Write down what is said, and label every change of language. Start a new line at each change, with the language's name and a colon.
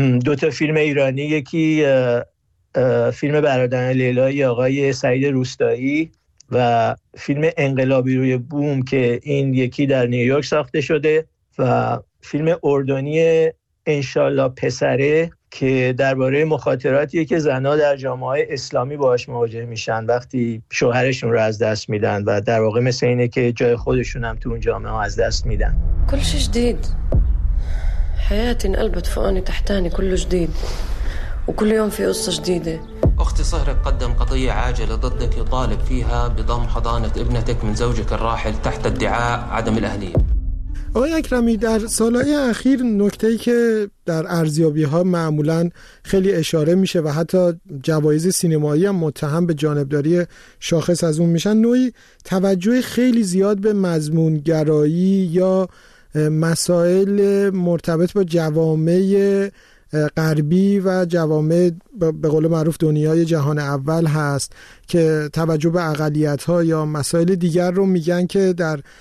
Persian: 2 تا فیلم ایرانی، یکی فیلم برادران لیلای آقای سعید روستایی و فیلم انقلابی روی بوم که این یکی در نیویورک ساخته شده، و فیلم اردنی انشالله پسره که درباره مخاطراتیه که زنها در جامعه اسلامی باهاش مواجه میشن وقتی شوهرشون رو از دست میدن و در واقع مثل اینه که جای خودشون هم تو اون جامعه ها از دست میدن.
Arabic: كل شيء جديد حياتي انقلبت فوقاني تحتاني كله جديد وكل يوم في قصه جديده. اختي صهرك قدم قضيه عاجله ضدك يطالب فيها بضم حضانه ابنتك من زوجك الراحل تحت ادعاء عدم الاهليه.
Persian: آقای اکرمی، در سالهای اخیر نکته‌ای که در ارزیابی‌ها معمولاً خیلی اشاره میشه و حتی جوایز سینمایی هم متهم به جانبداری شاخص از اون میشن، نوعی توجه خیلی زیاد به مضمون‌گرایی یا مسائل مرتبط با جوامع غربی و جوامع به قول معروف دنیای جهان اول هست که توجه به اقلیت‌ها یا مسائل دیگر رو میگن که در